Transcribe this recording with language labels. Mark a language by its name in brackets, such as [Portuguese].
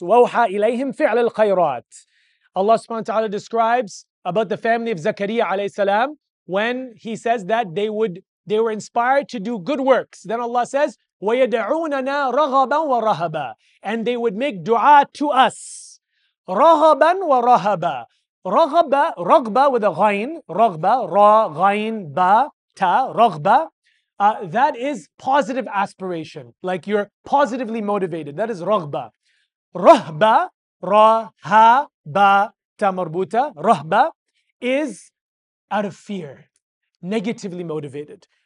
[Arabic] Wawha ilayhim fi'l al-khayrat. [English] Allah subhanahu wa ta'ala describes about the family of Zakariya alayhi salam. When he says that they were inspired to do good works. Then Allah says, [Arabic] وَيَدْعُونَنَا رَغَبًا وَرَهَبًا. [English] And they would make dua to us. [Arabic] رَغَبًا وَرَهَبًا. رَغَبَ, رَغْبَ [English] with a [Arabic] غَيْن. رَغْبَ, رَا, غَيْن, بَا, تَا, رَغْبَ. [English] That is positive aspiration. Like you're positively motivated. That is [Arabic] رَغْبَ. رَهْبَ, رَا, هَا, بَا, تَا, مَرْبُوتَ. [English] رَهْبَ is out of fear, negatively motivated.